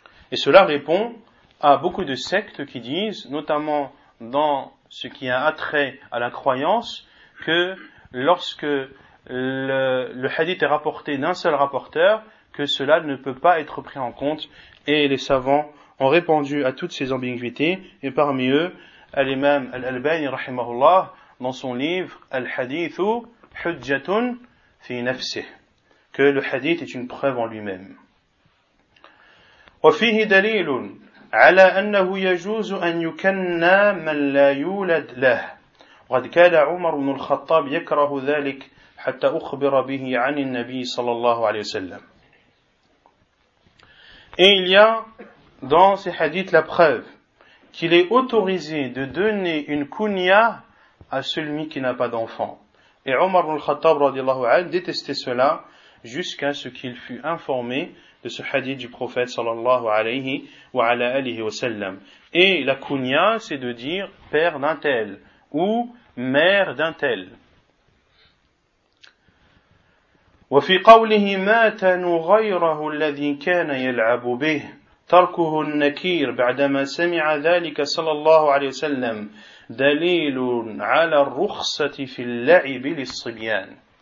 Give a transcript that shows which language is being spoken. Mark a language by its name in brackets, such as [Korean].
[French] Et cela répond à beaucoup de sectes qui disent, notamment dans ce qui a attrait à la croyance, que lorsque le hadith est rapporté d'un seul rapporteur, que cela ne peut pas être pris en compte. Et les savants ont répondu à toutes ces ambiguïtés. Et parmi eux, l'imam al-Albani, rahimahullah, dans son livre, Al-Hadithu Hujjatun fi Nafsih, que le hadith est une preuve en lui-même. [Arabic] وفيه دليل على أنه يجوز أن يكنى من لا يولد له وقد كان عمر بن الخطاب يكره ذلك حتى أخبر به عن النبي صلى الله عليه وسلم. [French] Et il y a dans ces hadiths la preuve qu'il est autorisé de donner une kunya à celui qui n'a pas d'enfant. Et Omar ibn al-Khattab radiallahu anhu détestait cela jusqu'à ce qu'il fût informé de ce hadith du prophète sallallahu alayhi wa ala alihi wa sallam. Et la kunya, c'est de dire père d'un tel ou mère d'un tel. [Arabic] وفي قوله مات نغيره الذي كان يلعب به تركه النكير بعدما سمع ذلك صلى الله عليه وسلم دليل على الرخصة في اللعب للصبيان.